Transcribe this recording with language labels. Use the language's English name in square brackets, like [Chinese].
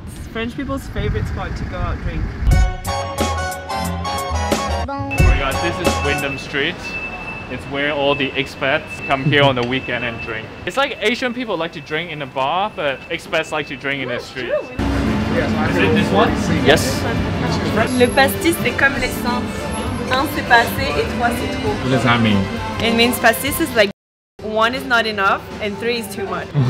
[English] It's French people's favorite spot to go out drink. Oh my god, this is Wyndham Street. It's where all the expats come here on the weekend and drink. It's like Asian people like to drink in a bar, but expats like to drink in the streets. Is it this one? Yes. [French] Le pastis, c'est comme l'essence. Un, c'est passé et trois, c'est trop. [English] What does that mean? It means pastis is like one is not enough and three is too much.